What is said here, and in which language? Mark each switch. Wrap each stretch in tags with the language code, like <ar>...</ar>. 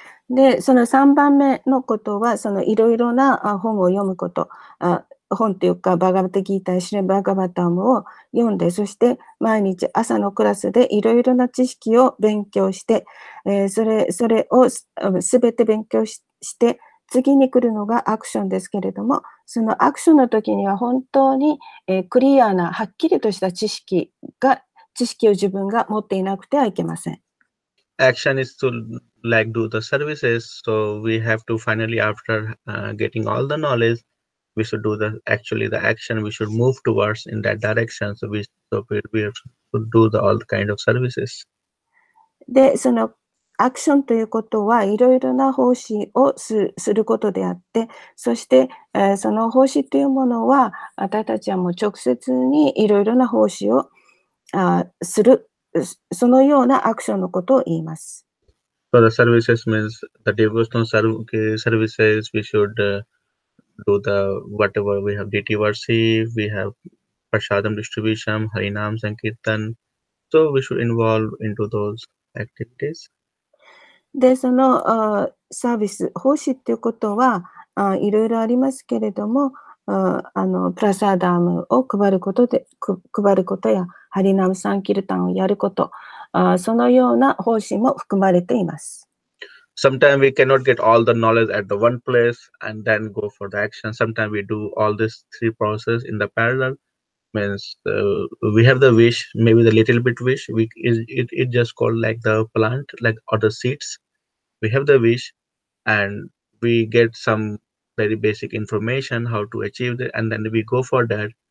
<ja>で、その3番目のことは、そのいろいろな本を読むこと、本というか、バガバタギータ、シレバガバタムを読んで、そして毎日朝のクラスでいろいろな知識を勉強して、それをすべて勉強して、次に来るのがアクションですけれども、そのアクションの時には本当にクリアな、はっきりとした知識を自分が持っていなくてはいけません。</ja> <en>Action is to like do the services. So we have to finally, after getting all the knowledge, we should do the action. We should move towards in that direction. So we should do the all the kind of services.</en> <ja>で、そのアクションということはいろいろな奉仕をすることであって、そして、その奉仕というものは私たちはもう直接にいろいろな奉仕をする。そのようなアクションのことを言います。</ja> <en>So the services means the devotional services, we should do the whatever we have deity worship, we have prasadam distribution, harinam sankirtan. So we should involve into those activities.</en> <ja>で、その、サービス、奉仕っていうことは、いろいろありますけれども、プラサダムを配ることや、ハリナムサンキルタンをやること、そのような方針も含まれています。</ja> <en>Sometimes we cannot get all the knowledge at the one place and then go for the action. Sometimes we do all these three processes in the parallel. Means we have the wish, maybe the little bit wish. It just called like the plant, like other seeds. We have the wish and we get some very basic information how to achieve it and then we go for that.</en>